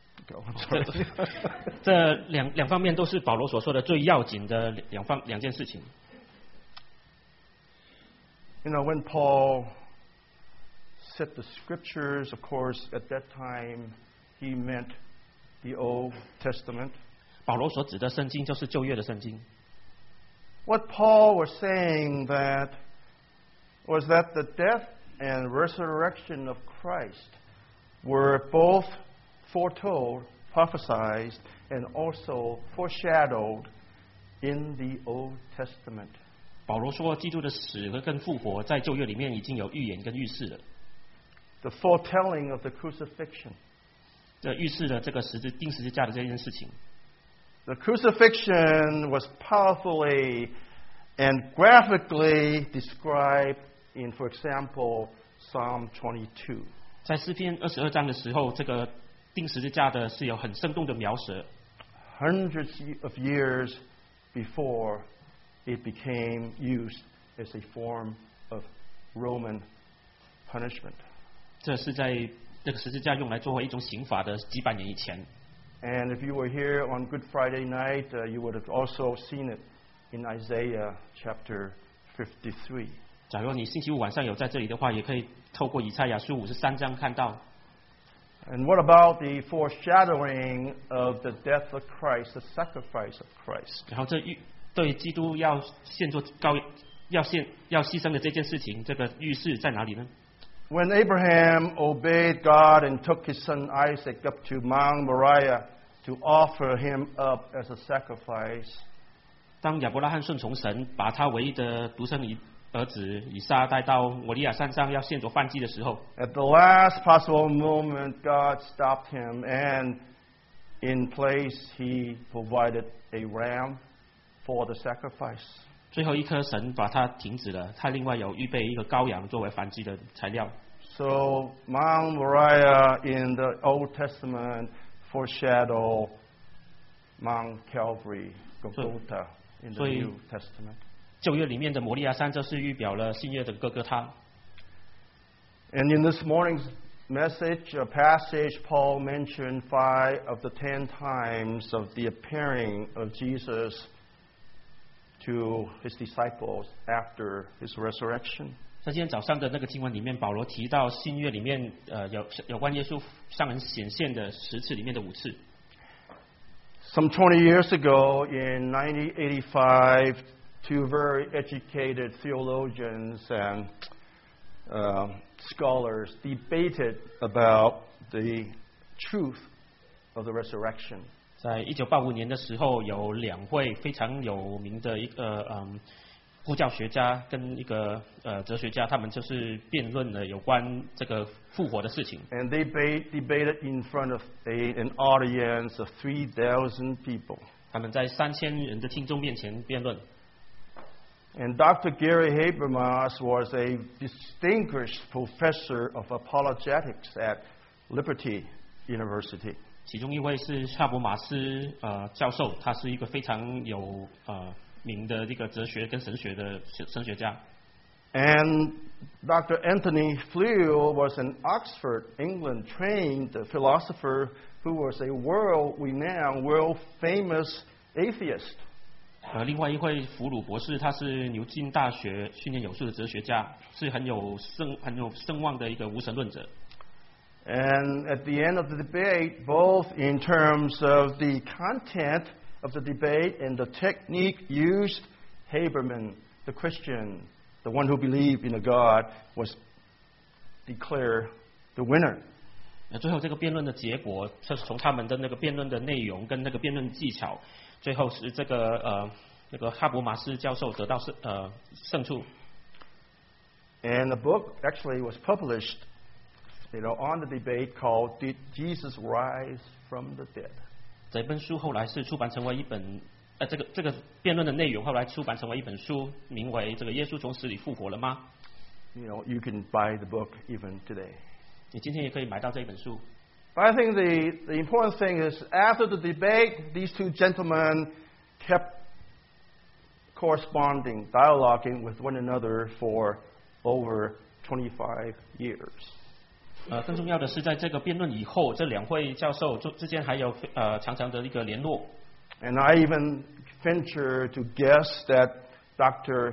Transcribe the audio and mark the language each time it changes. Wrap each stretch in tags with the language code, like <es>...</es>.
<en>Go, I'm sorry.</en> <zh>这两方面都是保罗所说的最要紧的两件事情。</zh> <en>You know, when Paul set the scriptures, of course, at that time, he meant the Old Testament.</en> <zh>保罗所指的圣经就是旧约的圣经。</zh> <en>What Paul was saying that was that the death and resurrection of Christ were both foretold, prophesied, and also foreshadowed in the Old Testament.</en> <zh>保罗说基督的死和跟复活在旧约里面已经有预言跟预示了。</zh> <en>The foretelling of the crucifixion.</en> <zh>这预示了这个钉十字架的这件事情。</zh> <en>The crucifixion was powerfully and graphically described in, for example, Psalm 22.</en> <zh>在诗篇二十二章的时候，这个钉十字架的是有很生动的描写。</zh> <en>Hundreds of years before,It became used as a form of Roman punishment.</en> <zh>这是在那个十字架用来作为一种刑罚的几百年以前。</zh> <en>And if you were here on Good Friday night, you would have also seen it in Isaiah chapter 53.</en> <zh>假如你星期五晚上有在这里的话，也可以透过以赛亚书五十三章看到。</zh> <en>And what about the foreshadowing of the death of Christ, the sacrifice of Christ?</en> <zh>然后这预对基督要献作羔要牺牲的这件事情，这个预示在哪里呢？</zh> <en>When Abraham obeyed God and took his son Isaac up to Mount Moriah to offer him up as a sacrifice,</en> <zh>当亚伯拉罕顺从神，把他唯一的独生儿子以撒带到摩利亚山上要献作燔祭的时候，</zh> <en>At the last possible moment, God stopped him, and in place he provided a ram. For the sacrifice.</en> <zh>最后一颗神把它停止了，他另外有预备一个羔羊作为燔祭的材料。</zh> <en>So Mount Moriah in the Old Testament foreshadowed Mount Calvary, Golgotha in the New Testament.</en> <zh>旧约里面的摩利亚山就是预表了新约的哥哥他。</zh> <en>And in this morning's message, a passage Paul mentioned five of the ten times of the appearing of Jesus. To his disciples after his resurrection.</en> <zh>在今天早上的那个经文里面，保罗提到新约里面，有关耶稣向人显现的十次里面的五次。</zh> <en>Some 20 years ago, in 1985, two very educated theologians and scholars debated about the truth of the resurrection.</en> <zh>在1985年的时候，有两位非常有名的一个护教学家跟一个哲学家，他们就是辩论了有关这个复活的事情。</zh> <en>And they debated in front of an audience of 3,000 people.</en> <zh>他们在3000人的听众面前辩论。</zh> <en>And Dr. Gary Habermas was a distinguished professor of apologetics at Liberty University.</en> <zh>其中一位是哈伯马斯教授，他是一个非常有名的这个哲学跟神学家。</zh> <en>And Dr. Anthony Flew was an Oxford, England trained philosopher who was a world famous atheist.</en> <zh>另外一位弗鲁博士，他是牛津大学训练有素的哲学家，是很有声望的一个无神论者。</zh> <en>And at the end of the debate, both in terms of the content of the debate and the technique used, Haberman, the Christian, the one who believed in a God, was declared the winner.</en> <zh>最后这个辩论的结果，就是从他们的那个辩论的内容跟那个辩论技巧，最后是这个那个哈伯马斯教授得到胜出。</zh> <en>And the book actually was published, you know, on the debate called "Did Jesus Rise from the Dead?"</en> <zh>这本书后来是出版成为一本这个辩论的内容后来出版成为一本书，名为这个耶稣从死里复活了吗？</zh> <en>You know, you can buy the book even today.</en> <zh>你今天也可以买到这本书。</zh> <en>But I think the important thing is after the debate, these two gentlemen kept corresponding, dialoguing with one another for over 25 years.</en> <zh>更重要的是在这个辩论以后，这两位教授之间还有常常的一个联络。</zh> <en>And I even venture to guess that Dr.</en>